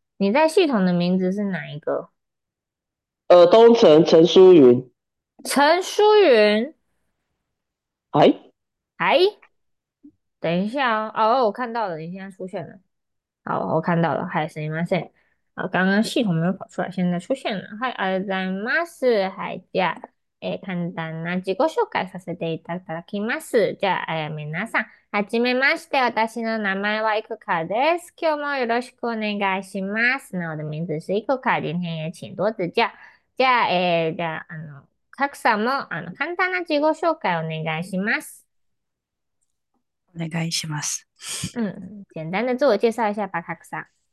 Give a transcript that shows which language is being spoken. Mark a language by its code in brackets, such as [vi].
[zh] 你在系统的名字是哪一个？东城陈淑云。陈淑云。哎。哎，等一下哦，我看到了，你现在出现了。好，我看到了， [ja] はい、すみません。 [zh] 啊，刚刚系统没有跑出来，现在出现了。 [ja] はい、ありがとうございます。はい、じゃあ、簡単な自己紹介させていただきます。じゃあ、皆さん、はじめまして。私の名前はいくかです。今日もよろしくお願いします。なので、 [zh] 名字是いくか。今天也请多指教。 [ja] じゃあ、賀来さんも、簡単な自己紹介お願いします。お願いします。簡単な [zh] 自我介绍一下吧、賀来さん。